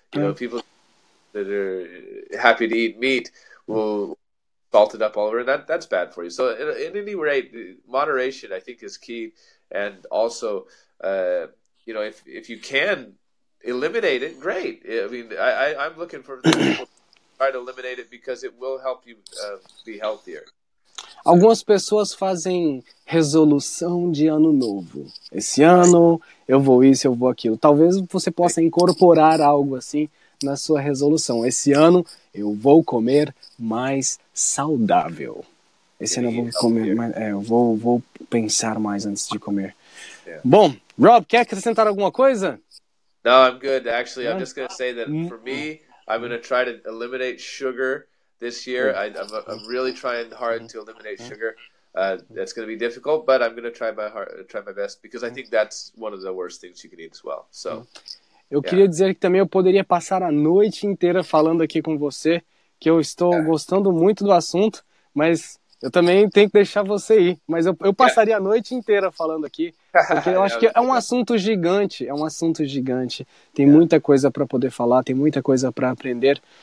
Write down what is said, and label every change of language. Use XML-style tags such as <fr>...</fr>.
<en>You know, people that are happy to eat meat will salt it up all over, and that's bad for you. So, at any rate, moderation, I think, is key. And also, you know, if you can eliminate it, great. I mean, I'm looking for people to try to eliminate it because it will help you be healthier.</en> <pt>Algumas pessoas fazem resolução de ano novo. Esse ano eu vou isso, eu vou aquilo. Talvez você possa incorporar algo assim na sua resolução. Esse ano eu vou comer mais saudável. Esse ano eu vou comer mais... eu vou pensar mais antes de comer. Bom, Rob, quer acrescentar alguma coisa?</pt> <en>No, I'm good. Actually, I'm just going to say that for me, I'm going to try to eliminate sugar. This year, I'm really trying hard to eliminate sugar. That's going to be difficult, but I'm going to try my best because I think that's one of the worst things you can eat as well. So,</en> <pt>eu queria dizer que também eu poderia passar a noite inteira falando aqui com você, que eu estou gostando muito do assunto, mas eu também tenho que deixar você ir. Mas eu passaria a noite inteira falando aqui, porque eu acho que é um assunto gigante. É um assunto gigante. Tem muita coisa para poder falar, tem muita coisa para aprender.</pt>